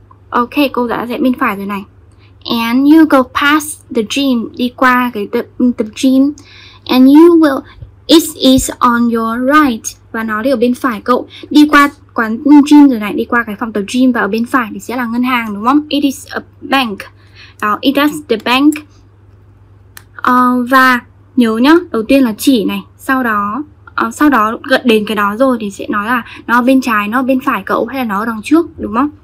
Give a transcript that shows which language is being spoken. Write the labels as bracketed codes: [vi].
[vi] Ok, cô đã rẽ bên phải rồi này. [en] And you go past the gym, [vi] đi qua cái [en] the gym. And you will, it is on your right. [vi] Và nó thì ở bên phải cậu. Đi qua quán gym rồi này, đi qua cái phòng tập gym. Và ở bên phải thì sẽ là ngân hàng đúng không? [en] It is a bank. It is the bank. [vi] Và nhớ nhá, đầu tiên là chỉ này. Sau đó gần đến cái đó rồi thì sẽ nói là nó bên trái, nó bên phải cậu hay là nó ở đằng trước đúng không?